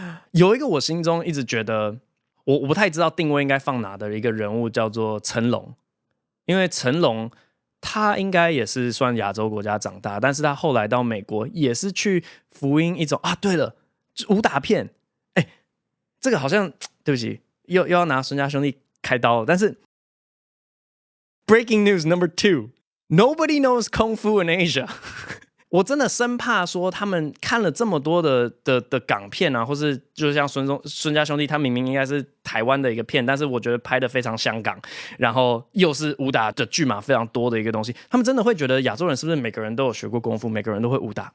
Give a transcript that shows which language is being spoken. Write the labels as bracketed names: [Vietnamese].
[Chinese] 有一个我心中一直觉得 我不太知道定位应该放哪的一个人物叫做成龙。因为成龙他应该也是算亚洲国家长大，但是他后来到美国也是去福音一种啊，对了，武打片。这个好像，对不起， 又要拿孙家兄弟开刀了。但是 [English] Breaking news number two, Nobody knows Kung Fu in Asia. [Chinese] 我真的生怕说他们看了这么多 的港片啊，或是就像 孙家兄弟，他明明应该是台湾的一个片，但是我觉得拍的非常香港，然后又是武打的剧码非常多的一个东西，他们真的会觉得亚洲人是不是每个人都有学过功夫，每个人都会武打？